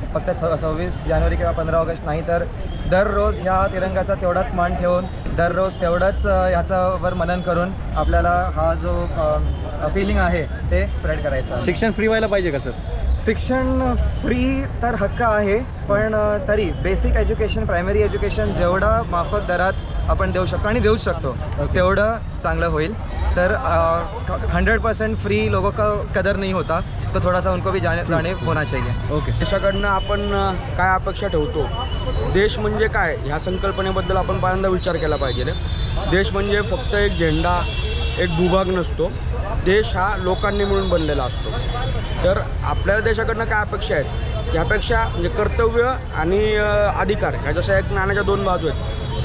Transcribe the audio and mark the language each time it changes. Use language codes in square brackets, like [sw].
[mr] फक्त 26 जानेवारी किंवा 15 ऑगस्ट नाही, तर दररोज ह्या तिरंगाचा तेवढाच मान ठेवून, दररोज तेवढंच ह्याच्यावर मनन करून आपल्याला हा जो फिलिंग आहे ते स्प्रेड करायचं. शिक्षण फ्री व्हायला पाहिजे का सर? शिक्षण फ्री तर हक्क आहे, पण तरी बेसिक एज्युकेशन, प्रायमरी एज्युकेशन जेवढा माफक दरात आपण देऊ शकतो आणि देऊ शकतो तेवढं चांगलं होईल. [hi] तर 100% फ्री लोगो का कदर नहीं होता, तो थोड़ा सा उनको भी जाने होना चाहिए. ओके, [mr] देशाकडनं आपण काय अपेक्षा ठेवतो, देश म्हणजे काय ह्या संकल्पनेबद्दल आपण पहिल्यांदा विचार केला पाहिजे. देश म्हणजे फक्त एक झेंडा, एक भूभाग नसतो, देश हा लोकांनी मिळून बनलेला असतो. तर आपल्या देशाकडनं काय अपेक्षा आहेत, ह्या अपेक्षा म्हणजे कर्तव्य आणि अधिकार, ह्या जशा एक नाण्याच्या दोन बाजू आहेत.